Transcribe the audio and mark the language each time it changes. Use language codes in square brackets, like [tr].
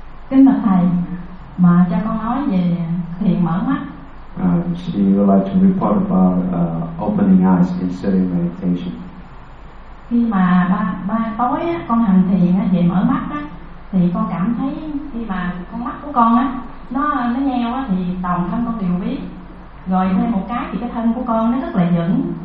[vi] Kính bạch thầy, mà cho con nói về thiền mở mắt. [en] She would like to report about opening eyes in sitting meditation. [vi] Khi mà ba tối á, con hành thiền á, về mở mắt á, thì con cảm thấy khi mà con mắt của con á nó nheo á thì toàn thân con đều biết rồi thêm một cái thì cái thân của con nó rất là vững.